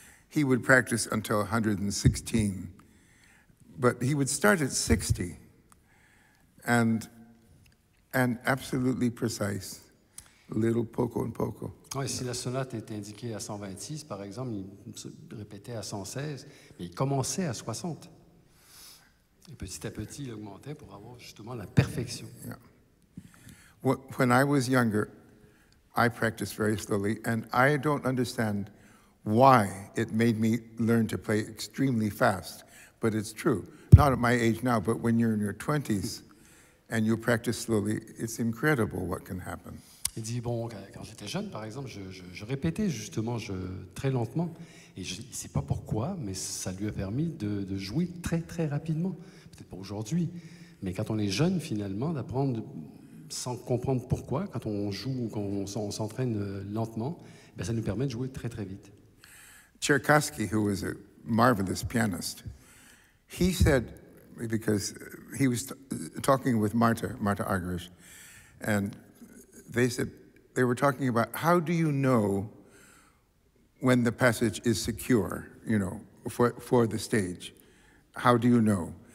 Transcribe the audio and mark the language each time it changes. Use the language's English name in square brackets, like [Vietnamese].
[English] He would practice until 116, but he would start at 60, and absolutely precise, little poco and poco. [French] Ouais, si la sonate était indiquée à 126, par exemple, il se répétait à 116, mais il commençait à 60. Et petit à petit, il augmentait pour avoir justement la perfection. [English] Yeah. When I was younger, I practiced very slowly, and I don't understand why it made me learn to play extremely fast, but it's true. Not at my age now, but when you're in your 20s and you practice slowly, it's incredible what can happen. [French] Il dit, bon, quand j'étais jeune, par exemple, je répétais justement très lentement, et je ne sais pas pourquoi, mais ça lui a permis de jouer très, très rapidement. Peut-être pas aujourd'hui, mais quand on est jeune, finalement, d'apprendre sans comprendre pourquoi, quand on joue ou quand on s'entraîne lentement, ben, ça nous permet de jouer très, très vite. [English] Tchaïkovski, who was a marvelous pianist, he said, because he was talking with Marta Argerich, and they were talking about, how do you know when the passage is secure, you know, for the stage? How do you know?